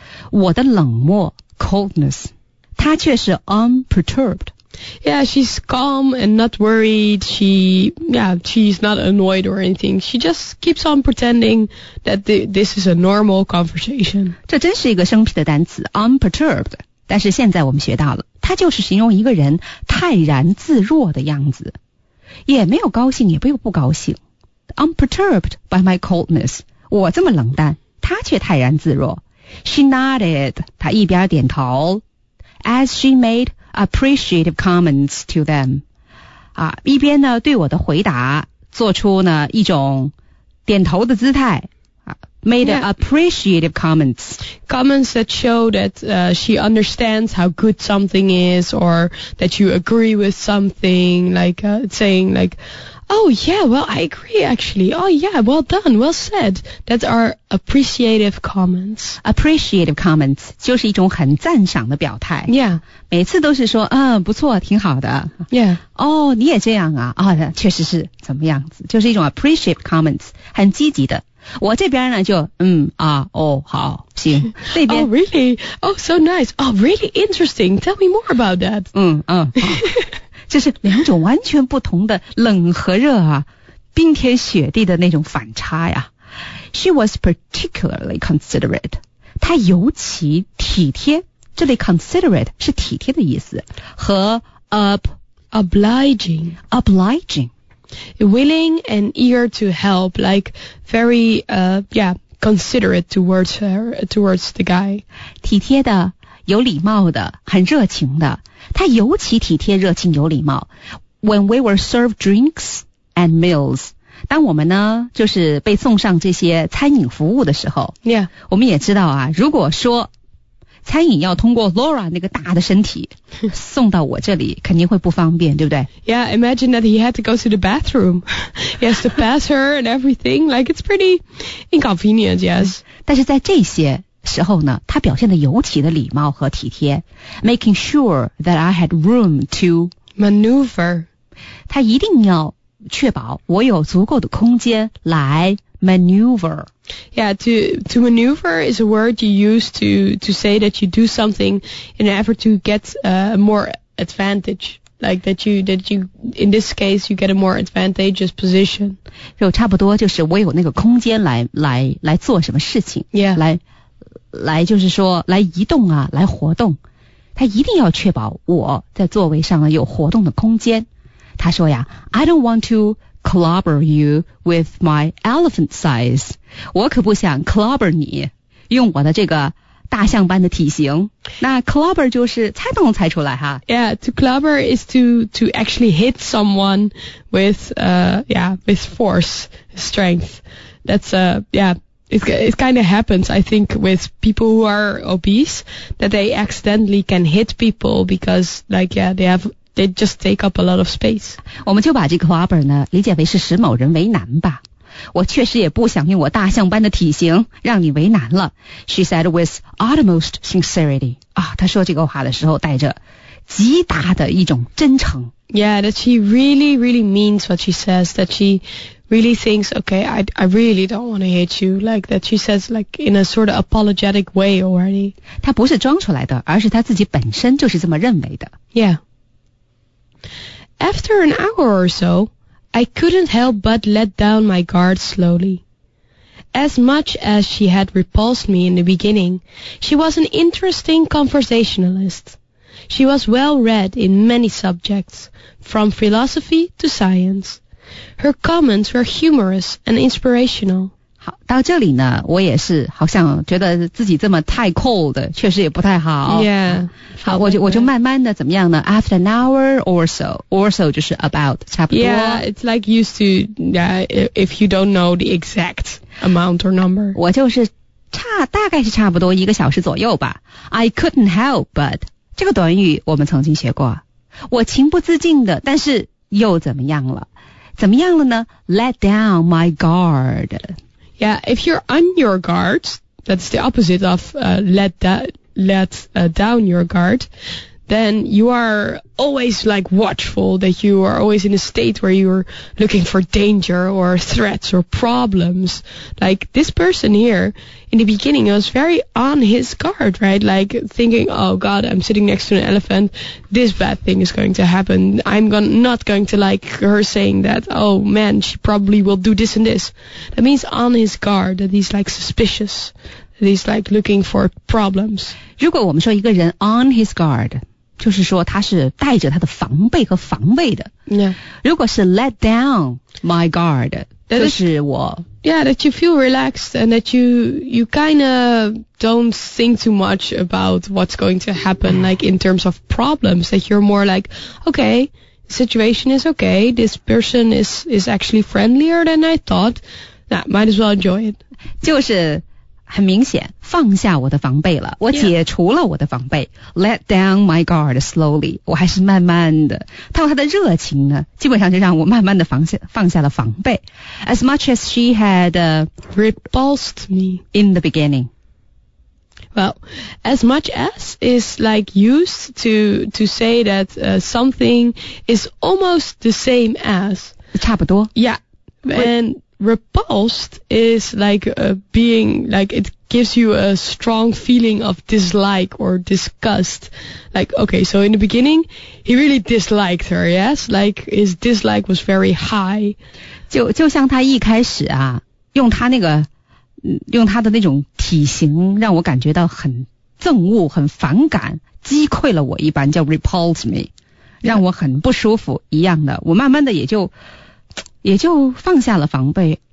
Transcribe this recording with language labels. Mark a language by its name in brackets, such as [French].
[Chinese] 我的冷漠 coldness. 它却是 unperturbed. [English] Yeah, she's calm and not worried. She's not annoyed or anything. She just keeps on pretending that this is a normal conversation. [Chinese] 这真是一个生僻的单词 unperturbed. 但是现在我们学到了，它就是形容一个人泰然自若的样子，也没有高兴，也没有不高兴。 [English] Unperturbed by my coldness. [Chinese] 我这么冷淡，他却泰然自若。 [English] She nodded. [Chinese] 他一边点头。 [English] As she made. Appreciative comments to them. [Chinese] 啊，一边呢，对我的回答做出呢一种点头的姿态。 [English] Made appreciative comments. Comments that show that she understands how good something is or that you agree with something, like saying like, oh yeah, well I agree actually. Oh yeah, well done, well said. That are appreciative comments. [Chinese] Appreciative comments 就是一种很赞赏的表态。 [English] Yeah. [Chinese] 每次都是说嗯不错挺好的。 [English] Yeah. [Chinese] 哦你也这样啊。哦确实是怎么样子。就是一种 appreciative comments, 很积极的。我这边呢就嗯啊哦好行那边 [English] Oh really? Oh so nice. Oh really interesting. Tell me more about that. 嗯嗯、哦、 [Chinese] 这是两种完全不同的冷和热啊冰天雪地的那种反差呀。 [English] She was particularly considerate. [Chinese] 她尤其体贴这里 considerate 是体贴的意思和 [English] obliging. Obliging. Willing and eager to help, like very, considerate towards her, towards the guy. [Chinese] 体贴的，有礼貌的，很热情的。他尤其体贴、热情、有礼貌。 [English] When we were served drinks and meals, [Chinese] 当我们呢，就是被送上这些餐饮服务的时候 [English] ，Yeah， [Chinese] 我们也知道啊，如果说餐饮要通过 Laura 那个大的身体送到我这里肯定会不方便对不对 [English] Yeah, imagine that he had to go to the bathroom. He has to pass her and everything. Like, it's pretty inconvenient, yes. [Chinese] 但是在这些时候呢他表现得尤其的礼貌和体贴 [English] making sure that I had room to maneuver. [Chinese] 他一定要确保我有足够的空间来maneuver. [English] Yeah, to maneuver is a word you use to say that you do something in an effort to get more advantage. Like that you, in this case, you get a more advantageous position. [Chinese] 就差不多就是我有那个空间来做什么事情。 [English] Yeah. [Chinese] 来就是说来移动啊来活动。他一定要确保我在座位上有活动的空间。他说呀 [English] I don't want to,clobber you with my elephant size. [Chinese] 我可不想 clobber 你用我的这个大象般的体型。那 clobber 就是猜都能猜出来哈。 [English] Yeah, to clobber is to actually hit someone with force, strength. That's it kind of happens, I think, with people who are obese, that they accidentally can hit people because, like, yeah, they haveThey just take up a lot of space. [Chinese] 我们就把这个 clobber 呢理解为是使某人为难吧。我确实也不想用我大象般的体型让你为难了。 [English] She said with utmost sincerity. [Chinese] 啊，她说这个话的时候带着极大的一种真诚。 [English] Yeah, that she really, really means what she says. That she really thinks, okay, I really don't want to hit you. Like that she says like in a sort of apologetic way already. [Chinese] 她不是装出来的，而是她自己本身就是这么认为的。 [English] Yeah. After an hour or so, I couldn't help but let down my guard slowly. As much as she had repulsed me in the beginning, she was an interesting conversationalist. She was well-read in many subjects, from philosophy to science. Her comments were humorous and inspirational. [Chinese] 好到这里呢我也是好像觉得自己这么太 cold, 确实也不太好。 [English] Yeah, [Chinese] 好我就慢慢的怎么样呢 [English] after an hour or so [Chinese] 就是 about, 差不多。 [English] Yeah, it's like used to, if you don't know the exact amount or number. [Chinese] 我就是大概是差不多一个小时左右吧。 [English] I couldn't help but, [Chinese] 这个短语我们曾经学过。我情不自禁的但是又怎么样了怎么样了呢 ? [English] let down my guard. Yeah, if you're on your guard, that's the opposite of let down your guard, then you are always like watchful, that you are always in a state where you're looking for danger or threats or problems. Like this person here, in the beginning, was very on his guard, right? Like thinking, oh God, I'm sitting next to an elephant, this bad thing is going to happen, I'm not going to like her saying that, oh man, she probably will do this and this. That means on his guard, that he's like suspicious, that he's like looking for problems. [Chinese] 如果我们说一个人 [English] on his guard, [Chinese] 就是说他是带着他的防备和防卫的。 [English] Yeah. [Chinese] 如果是 [English] let down my guard, [Chinese] 就是我。 [English] Yeah, that you feel relaxed and that you kind of don't think too much about what's going to happen, like in terms of problems, that you're more like, okay, situation is okay. This person is actually friendlier than I thought. That might as well enjoy it. [Chinese] 就是很明显放下我的防备了，我解除了我的防备、yeah. [English] Let down my guard slowly， [Chinese] 我还是慢慢的，他说他的热情呢基本上就让我慢慢的放下了防备。 [English] As much as she had repulsed me in the beginning. Well, as much as is like used to say that something is almost the same as， [Chinese] 差不多。 [English] Yeah, andrepulsed is like being like it gives you a strong feeling of dislike or disgust. Like, okay, so in the beginning, he really disliked her, yes? Like, his dislike was very high. [Chinese] 就像他一开始啊，用他的那种体型让我感觉到很憎恶，很反感，击溃了我一般，叫 [English] repulse me， [Chinese] 让我很不舒服一样的。我慢慢的也就放下了防备。